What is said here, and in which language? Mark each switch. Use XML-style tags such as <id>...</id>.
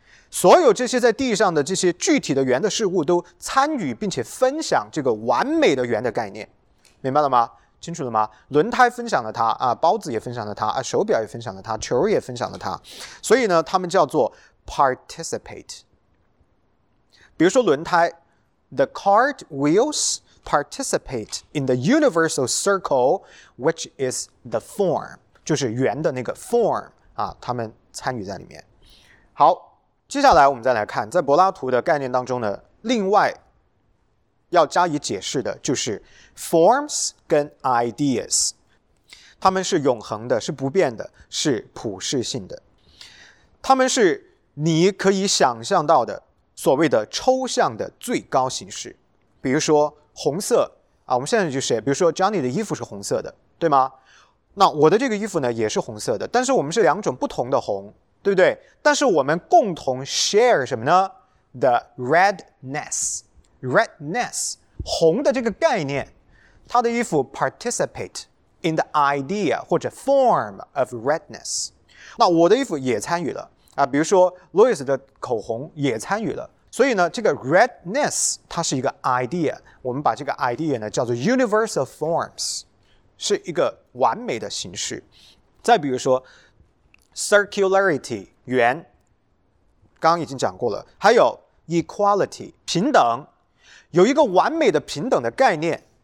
<zh>所有这些在地上的这些具体的圆的事物都参与并且分享这个完美的圆的概念。明白了吗？清楚了吗？轮胎分享了它啊，包子也分享了它啊，手表也分享了它，球也分享了它。所以呢他们叫做 participate。比如说轮胎</zh> <en>,the cart wheels participate in the universal circle, which is the form,</en> <zh>就是圆的那个</zh> <en>form,</en> <zh>啊他们参与在里面。好，接下来我们再来看，在柏拉图的概念当中呢，另外要加以解释的就是 forms 跟 ideas, 他们是永恒的，是不变的，是普世性的。他们是你可以想象到的所谓的抽象的最高形式。比如说红色啊，我们现在就是比如说 Johnny 的衣服是红色的，对吗？那我的这个衣服呢也是红色的，但是我们是两种不同的红，对不对？但是我们共同 share 什么呢？The redness， redness， 红的这个概念。他的衣服</zh> <en>participate in the idea</en> <zh>或者</zh> <en>form of redness。</en> <zh>那我的衣服也参与了啊，比如说 Louis 的口红也参与了。所以呢这个 redness 它是一个 idea， 我们把这个 idea 呢叫做 universal forms， 是一个完美的形式。再比如说 circularity 圆，刚刚已经讲过了，还有 equality 平等，有一个完美的平等的概念。</zh>